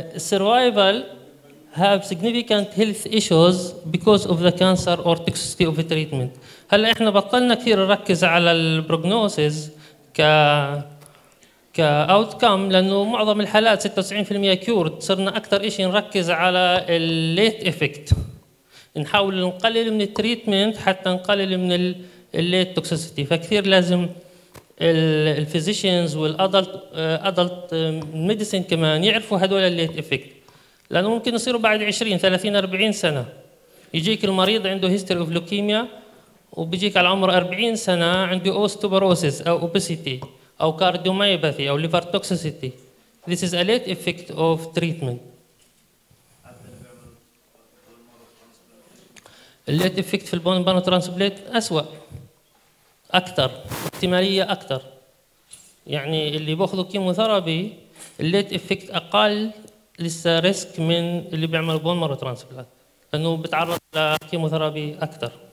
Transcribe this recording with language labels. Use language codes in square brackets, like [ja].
[en] Survival have significant health issues because of the cancer or toxicity of the treatment. [ar] هلا احنا بطلنا كثير نركز على البروجنوسيز ك كأوتكم، لأنه معظم الحالات 96% كيورد، صرنا أكثر إشي نركز على الليت إفكت، نحاول نقلل من التريتمنت حتى نقلل من الليت توكسيسيتي. فكثير لازم الفيزيشنز والأدلت ميديسين كمان يعرفوا هدول الليت إفكت، لأنه ممكن يصيروا بعد 20-30-40 سنة يجيك المريض عنده هيستوري أوف لوكيميا، وبيجيك على عمر 40 سنة عنده أوستوبروسيس أو أوبيسيتي أو كارديوميوباثي أو ليفر توكسيسيتي. [en] This is a late effect of treatment. [ar] late effect في البون بانو ترانسبليت أسوأ، أكثر احتمالية أكثر. يعني اللي بأخذوا كيموثيرابي late effect أقل لسه ريسك من اللي بيعملوا بون مارو ترانسبليت، لأنه بتعرض لكيموثيرابي أكثر.